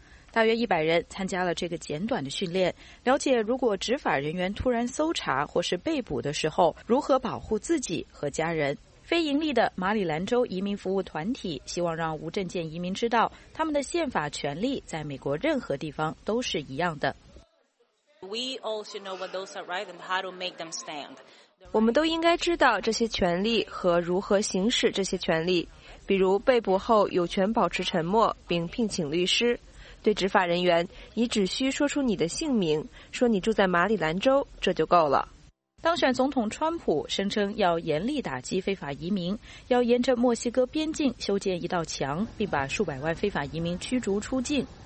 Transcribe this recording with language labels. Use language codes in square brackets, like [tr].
[zh] 大约100人参加了这个简短的训练，了解如果执法人员突然搜查或是被捕的时候，如何保护自己和家人。非盈利的马里兰州移民服务团体希望让无证件移民知道，他们的宪法权利在美国任何地方都是一样的。 [en] We all should know what those are right and how to make them stand. [zh] 我们都应该知道这些权利和如何行使这些权利，比如被捕后有权保持沉默并聘请律师。对执法人员，你只需说出你的姓名，说你住在马里兰州，这就够了。当选总统川普声称要严厉打击非法移民，要沿着墨西哥边境修建一道墙，并把数百万非法移民驱逐出境。